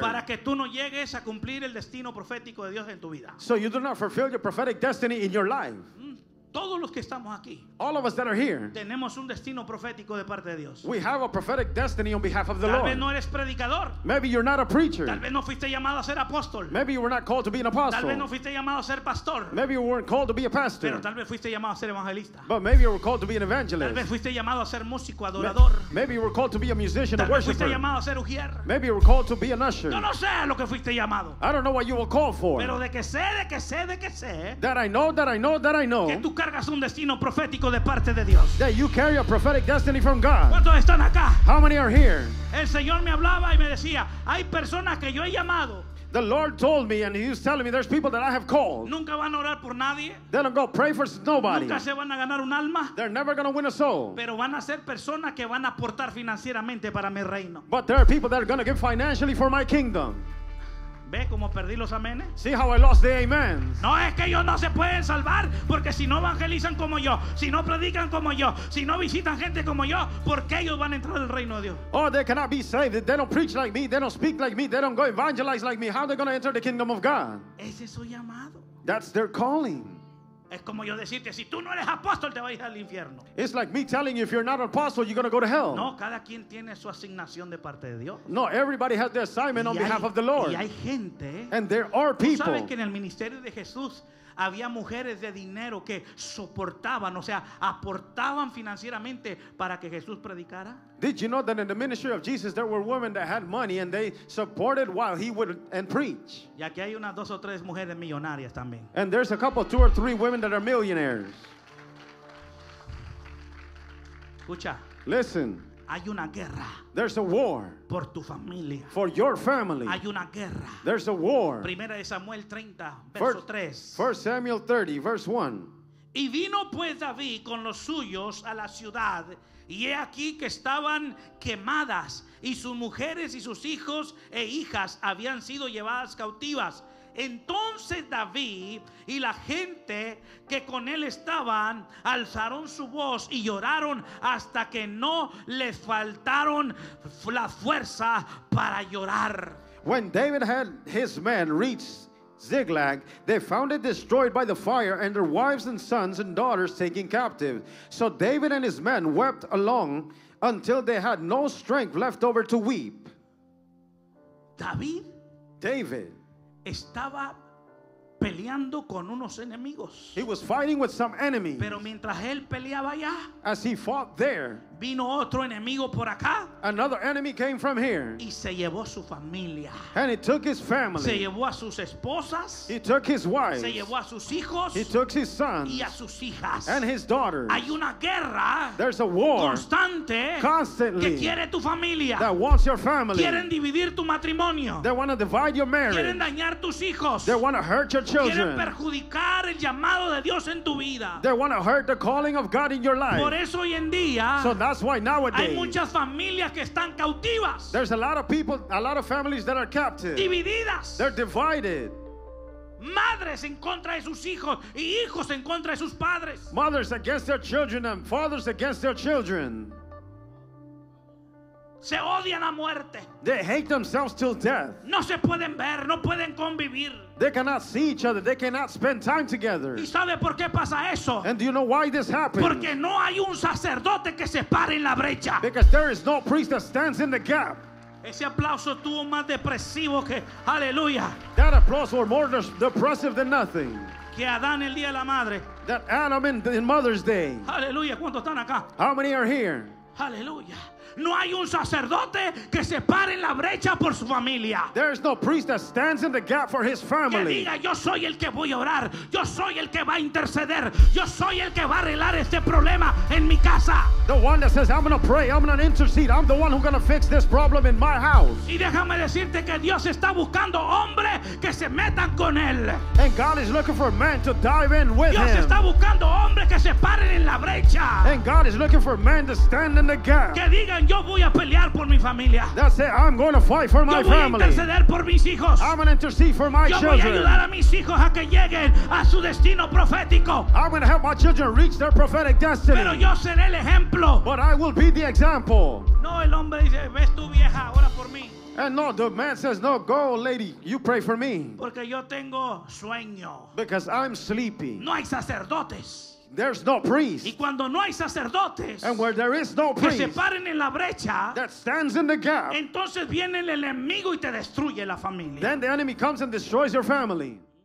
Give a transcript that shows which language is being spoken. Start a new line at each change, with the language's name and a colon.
Spanish: Para que tú no llegues a cumplir el destino profético de Dios en tu vida.
English: So you do not fulfill your prophetic destiny in your life.
Spanish: Todos los que estamos aquí,
English: all of us that are here,
Spanish: tenemos un destino profético de parte de Dios.
English: We have a prophetic destiny on behalf of the Lord.
Spanish: Tal vez no eres predicador.
English: Maybe you're not a preacher.
Spanish: Tal vez no fuiste llamado a ser apóstol.
English: Maybe you were not called to be an apostle.
Spanish: Tal vez no fuiste llamado a ser pastor.
English: Maybe you weren't called to be a pastor.
Spanish: Pero tal vez fuiste llamado a ser evangelista.
English: But maybe you were called to be an evangelist.
Spanish: Tal vez fuiste llamado a ser músico, adorador.
English: Maybe you were called to be a musician,
Spanish: tal
English: a worshiper.
Spanish: Tal vez fuiste llamado a ser ujier.
English: Maybe you were called to be an usher.
Spanish: Yo no sé lo que fuiste llamado.
English: I don't know what you were called for.
Spanish: Pero de que sé, de que sé, de que sé.
English: That I know, that I know, that I know.
Spanish: Que tú cargas un destino profético de parte de Dios.
English: That you carry a prophetic destiny from God.
Spanish: ¿Cuántos están acá?
English: How many are here?
Spanish: El Señor me hablaba y me decía, hay personas que yo he llamado.
English: The Lord told me and he was telling me there's people that I have called.
Spanish: Nunca van a orar por nadie.
English: They don't go pray for nobody.
Spanish: Nunca se van a ganar un alma.
English: They're never going to win a soul.
Spanish: Pero van a ser personas que van a aportar financieramente para mi reino.
English: But there are people that are going to give financially for my kingdom.
Spanish: Ve cómo perdí los amenes.
English: See how I lost the amens.
Spanish: No es que ellos no se pueden salvar, porque si no evangelizan como yo, si no predican como yo, si no visitan gente como yo, ¿por qué ellos van a entrar al reino de Dios?
English: Oh, they cannot be saved. They don't preach like me. They don't speak like me. They don't go evangelize like me. How are they going to enter the kingdom of God?
Spanish: Ese es su llamado.
English: That's their calling.
Spanish: Es como yo decirte, si tú no eres apóstol, te vas a ir al infierno.
English: It's like me telling you, if you're not an apostle, you're going to go to hell.
Spanish: No, cada quien tiene su asignación de parte de Dios.
English: No, everybody has their assignment on behalf of the Lord.
Spanish: Y hay gente.
English: And there are people.
Spanish: ¿Sabes que en el ministerio de Jesús había mujeres de dinero que soportaban, o sea, aportaban financieramente para que Jesús predicara?
English: Did you know that in the ministry of Jesus there were women that had money and they supported while he would and preach?
Spanish: Y aquí hay unas dos o tres mujeres millonarias también.
English: And there's a couple, two or three women that are millionaires.
Spanish: Escucha.
English: Listen.
Spanish: Hay una guerra.
English: There's a war.
Spanish: Por tu familia.
English: For your family.
Spanish: Hay una guerra.
English: There's a war.
Spanish: Primera de Samuel 30, verso 3.
English: First Samuel 30, verse 1.
Spanish: Y vino pues David con los suyos a la ciudad, y he aquí que estaban quemadas, y sus mujeres y sus hijos e hijas habían sido llevadas cautivas. Entonces David y la gente que con él estaban alzaron su voz y lloraron hasta que no les faltaron la fuerza para llorar.
English: When David had his men reach Ziklag, they found it destroyed by the fire and their wives and sons and daughters taken captive. So David and his men wept along until they had no strength left over to weep.
Spanish: David.
English: David.
Spanish: Estaba peleando con unos enemigos.
English: He was fighting with some enemies.
Spanish: Pero mientras él peleaba allá,
English: as he fought there,
Spanish: vino otro enemigo por acá,
English: Another enemy came from here.
Spanish: Y se llevó su familia.
English: And he took his family.
Spanish: Se llevó a sus esposas.
English: He took his wife.
Spanish: Se llevó a sus hijos.
English: He took his sons.
Spanish: Y a sus hijas.
English: And his daughters.
Spanish: Hay una guerra.
English: There's a war.
Spanish: Constante.
English: Constantly.
Spanish: Que quiere tu familia.
English: That wants your family.
Spanish: Quieren dividir tu matrimonio.
English: They want to divide your marriage.
Spanish: Quieren dañar tus hijos.
English: They want to hurt your children.
Spanish: Quieren perjudicar el llamado de Dios en tu vida.
English: They want to hurt the calling of God in your life.
Spanish: Por eso hoy en día.
English: So that's why nowadays.
Spanish: Hay muchas familias que están cautivas.
English: There's a lot of people, a lot of families that are captive.
Spanish: Divididas.
English: They're divided.
Spanish: Madres en contra de sus hijos y hijos en contra de sus padres.
English: Mothers against their children and fathers against their children.
Spanish: Se odian a muerte.
English: They hate themselves till death.
Spanish: No se pueden ver, no pueden convivir.
English: They cannot see each other. They cannot spend time together.
Spanish: ¿Y sabe por qué pasa eso?
English: And do you know why this happens?
Spanish: Porque no hay un sacerdote que se pare en la brecha.
English: Because there is no priest that stands in the gap.
Spanish: Ese aplauso tuvo más depresivo que aleluya.
English: That applause was more depressive than nothing.
Spanish: Que Adán el día de la madre.
English: That Adam in Mother's Day.
Spanish: Aleluya, ¿cuántos están acá?
English: How many are here?
Spanish: Aleluya. No hay un sacerdote que se pare en la brecha por su familia.
English: There is no priest that stands in the gap for his family.
Spanish: Que diga, yo soy el que voy a orar, yo soy el que va a interceder, yo soy el que va a arreglar este problema en mi casa.
English: The one that says, I'm going to pray, I'm going to intercede, I'm the one who's going to fix this problem in my house.
Spanish: Y déjame decirte que Dios está buscando hombres que se metan con él.
English: And God is looking for men to dive in with
Spanish: Dios
English: him.
Spanish: Está buscando hombres que se paren en la brecha.
English: And God is looking for men to stand in the gap.
Spanish: Que digan, yo voy a pelear por mi familia.
English: That say, I'm going to fight for my family.
Spanish: Yo voy a interceder por mis hijos.
English: I'm going to intercede for my children.
Spanish: Yo voy a ayudar a mis hijos a que lleguen a su destino profético.
English: I'm going to help my children reach their prophetic destiny.
Spanish: Pero yo seré el ejemplo.
English: But I will be the example.
Spanish: No, el hombre dice, ves tu vieja, ora por mí.
English: And no, the man says, no, go, lady, you pray for me.
Spanish: Porque yo tengo sueño.
English: Because I'm sleepy.
Spanish: No hay sacerdotes.
English: There's no priest.
Spanish: Y cuando no hay sacerdotes,
English: and where there is no priest,
Spanish: que se paren en la brecha,
English: that stands in the gap,
Spanish: entonces viene el enemigo y te destruye la familia.
English: Then the enemy comes and destroys your family.